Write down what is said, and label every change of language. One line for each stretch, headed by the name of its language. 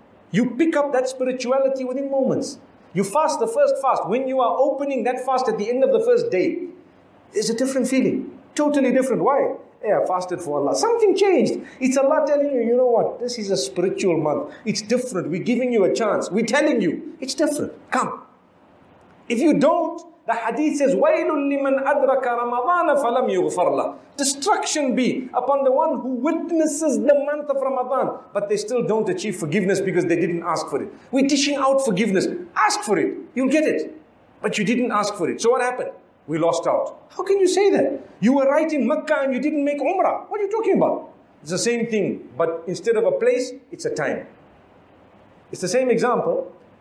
English: You pick up that spirituality within moments. You fast the first fast. When you are opening that fast at the end of the first day, there's a different feeling. Totally different. Why? Yeah, fasted for Allah. Something changed. It's Allah telling you, you know what? This is a spiritual month. It's different. We're giving you a chance. We're telling you. It's different. Come. If you don't, the hadith says,
Arabic: وَيْلٌ لِّمَنْ أَدْرَكَ رَمَضَانَ فَلَمْ يُغْفَرْ لَهُ.
English: Destruction be upon the one who witnesses the month of Ramadan, but they still don't achieve forgiveness because they didn't ask for it. We're dishing out forgiveness. Ask for it, you'll get it. But you didn't ask for it. So what happened? We lost out. How can you say that? You were right in Makkah and you didn't make Umrah. What are you talking about? It's the same thing, but instead of a place, it's a time. It's the same example.